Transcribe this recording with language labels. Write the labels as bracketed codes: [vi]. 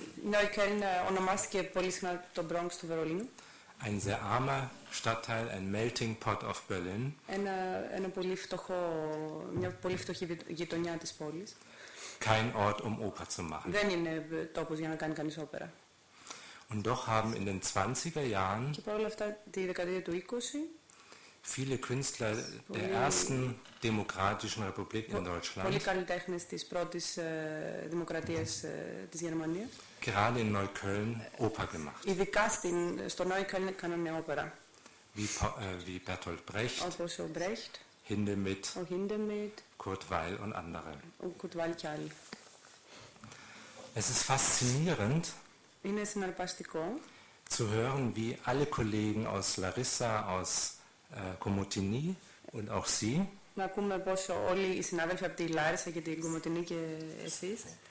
[el] Neukölln ονομάστηκε πολύ συχνά το Bronx του Βερολίνου. [de] Ein sehr armer Stadtteil, ein [en] melting pot of Berlin. [el] Ένα πολύ φτωχό, μια πολύ φτωχή γειτονιά της πόλης. [de] Kein Ort, um Oper zu machen. [el] Δεν είναι τόπος για να κάνει κανείς όπερα. [de] Und doch haben in den 20er Jahren [el] και παρόλα αυτά, τη δεκαετία του 20, [de] viele Künstler der ersten demokratischen Republik in Deutschland, [el] πολλοί καλλιτέχνες της πρώτης δημοκρατίας της Γερμανίας, [de] gerade in Neukölln Oper gemacht. [el] Ειδικά στο Neukölln έκαναν μια όπερα. [de] Wie Bertolt Brecht, [el] όπως ο Brecht, [de] Hindemith, Kurt Weill und andere. [el] Und Kurt Weill και άλλοι. [de] Es ist faszinierend, [el] είναι συναρπαστικό, [de] zu hören, wie alle Kollegen aus Larissa, aus Komotini und auch Sie, [el] να ακούμε πως όλοι οι συνάδελφοι από τη Λάρισα και την Κομωτινή και εσείς,